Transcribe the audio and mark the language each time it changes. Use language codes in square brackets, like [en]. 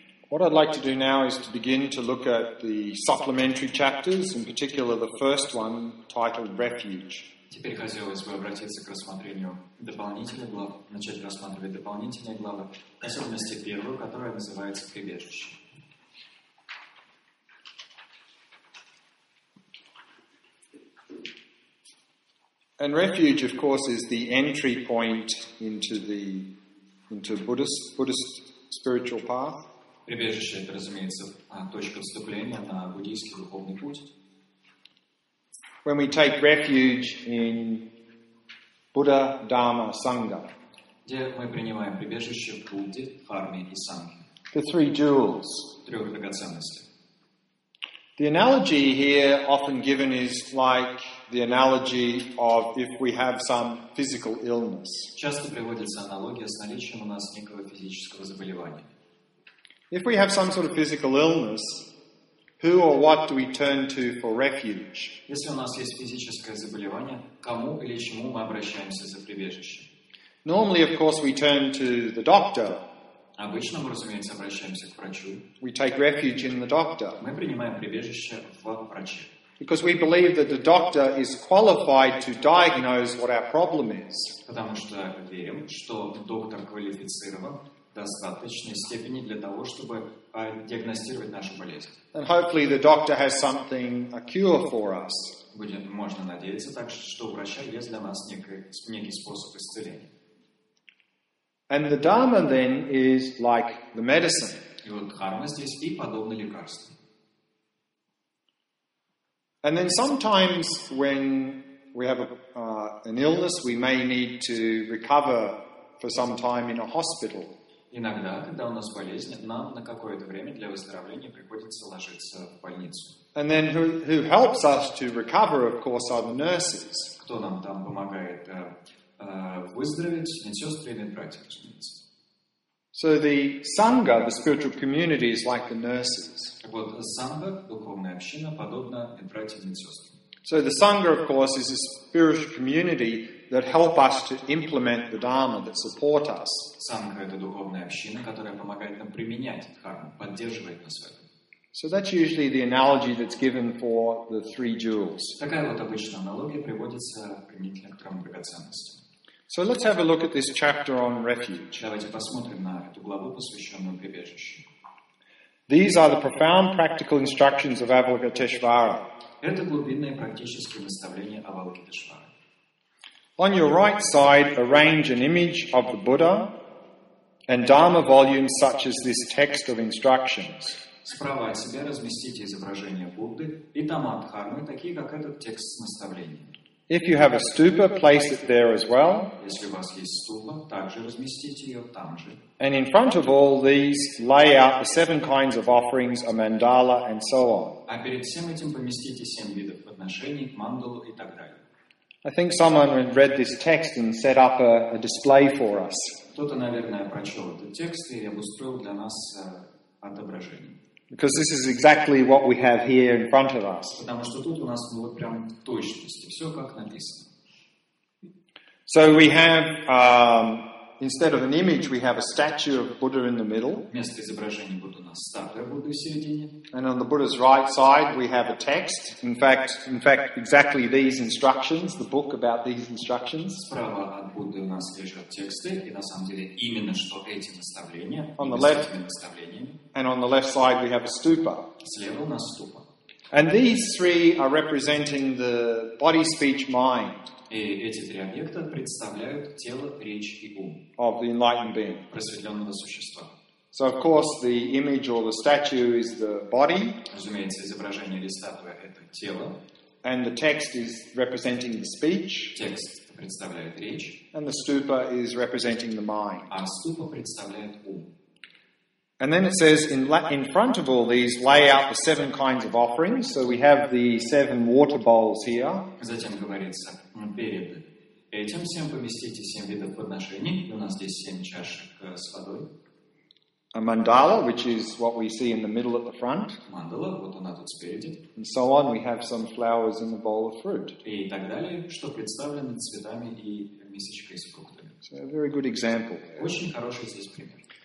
[en] What I'd like to do now is to begin to look at the supplementary chapters, in particular the first one titled Refuge. [ru] Теперь хотелось бы обратиться к рассмотрению дополнительных глав, начать рассматривать дополнительные главы, в особенности первую, которая называется «Прибежище». [en] And refuge, of course, is the entry point into Buddhist spiritual path. [ru] Прибежище – это, разумеется, точка вступления на буддийский духовный путь. [en] When we take refuge in Buddha, Dharma, Sangha, [ru] где мы принимаем прибежище в Будде, Харме и Санге. [en] The three jewels. [ru] Трех драгоценностей. [en] The analogy here often given is like the analogy of if we have some physical illness. [ru] Часто приводится аналогия с наличием у нас некого физического заболевания. [en] If we have some sort of physical illness, who or what do we turn to for refuge? [ru] Если у нас есть физическое заболевание, кому или чему мы обращаемся за прибежище? [en] Normally, of course, we turn to the doctor. [ru] Обычно мы, разумеется, обращаемся к врачу. [en] We take refuge in the doctor. [ru] Мы принимаем прибежище в враче. [en] Because we believe that the doctor is qualified to diagnose what our problem is. [ru] Потому что верим, что доктор квалифицирован в достаточной степени для того, чтобы диагностировать нашу болезнь. [en] And hopefully the doctor has something, a cure for us. [ru] Можно надеяться так, что у врача есть для нас некий способ исцеления. [en] And the Dharma then is like the medicine. [ru] И вот Дхарма здесь и подобно лекарству. [en] And then sometimes when we have an illness, we may need to recover for some time in a hospital. [ru] Иногда, когда у нас болезнь, нам на какое-то время для выздоровления приходится ложиться в больницу. [en] And then who helps us to recover, of course, are the nurses. [ru] Кто нам там помогает? Выздороветь медсестры и медбратья, разумеется. [en] So the Sangha, the spiritual community, is like the nurses. [ru] Так вот, Sangha, духовная община, подобна медбратьям и медсестрам. [en] So the Sangha, of course, is a spiritual community that help us to implement the Dharma, that support us. [ru] Sangha – это духовная община, которая помогает нам применять Дхарму, поддерживает нас в этом. [en] So that's usually the analogy that's given for the three jewels. [ru] Такая вот обычная аналогия приводится применительно к трём драгоценностям. [en] So let's have a look at this chapter on refuge. [ru] Давайте посмотрим на эту главу, посвященную прибежищу. [en] These are the profound practical instructions of Avalokiteshvara. [ru] Это глубинные практические наставления Авалокитешвары. [en] On your right side, arrange an image of the Buddha and Dharma volumes such as this text of instructions. [ru] Справа от себя разместите изображение Будды и тома Дхармы, такие как этот текст с наставлением. [en] If you have a stupa, place it there as well. [ru] Если у вас есть ступа, также разместите ее там же. [en] And in front of all these, lay out the seven kinds of offerings, a mandala, and so on. [ru] А перед всем этим поместите семь видов подношений, мандалу и так далее. [en] I think someone had read this text and set up a display for us. [ru] Кто-то, наверное, прочел этот текст и обустроил для нас отображение. [en] Because this is exactly what we have here in front of us. [ru] Потому что тут у нас вот прям в точности все как написано. [en] So we have instead of an image, we have a statue of Buddha in the middle. [ru] Вместо изображения Будды у нас статуя Будды в середине. [en] And on the Buddha's right side, we have a text. In fact, exactly these instructions, the book about these instructions. [ru] Справа от Будды у нас лежат тексты, и на самом деле именно что эти наставления. [en] On the left. [ru] Наставления. [en] And on the left side we have a stupa. [ru] Слева у нас ступа. [en] And these three are representing the body, speech, mind. [ru] И эти три объекта представляют тело, речь и ум. [en] Of the enlightened being. [ru] Просветленного существа. [en] So of course the image or the statue is the body. [ru] Разумеется, изображение или статуя это тело. [en] And the text is representing the speech. [ru] Текст представляет речь. [en] And the stupa is representing the mind. [ru] А ступа представляет ум. [en] And then it says, in front of all these, lay out the seven kinds of offerings. So we have the seven water bowls here. [ru] Затем говорится, перед этим всем поместите семь видов подношений. У нас здесь семь чашек с водой. [en] A mandala, which is what we see in the middle at the front. [ru] Мандала, вот она тут спереди. [en] And so on, we have some flowers in the bowl of fruit. [ru] И так далее, что представлено цветами и мисочкой с фруктами. [en] So a very good example. [ru] Очень хороший здесь пример.